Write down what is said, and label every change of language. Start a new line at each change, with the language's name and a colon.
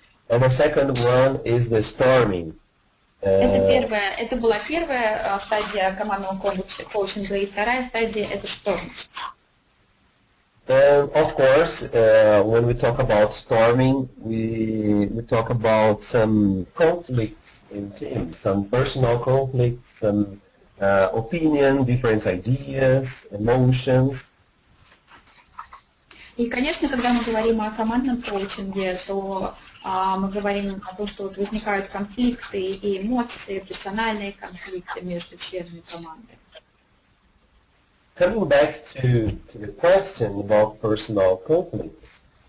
English: And the second one is the storming.
Russian: Это была первая стадия командного коучинга, и вторая стадия – это шторм.
English: Of course, when we talk about storming, we talk about some conflicts in teams, some personal conflicts, some opinion, different ideas, emotions.
Russian: И, конечно, когда мы говорим о командном коучинге, то мы говорим о том, что вот возникают конфликты и эмоции, персональные конфликты между членами команды.
English: Coming back to the question about personal conflicts.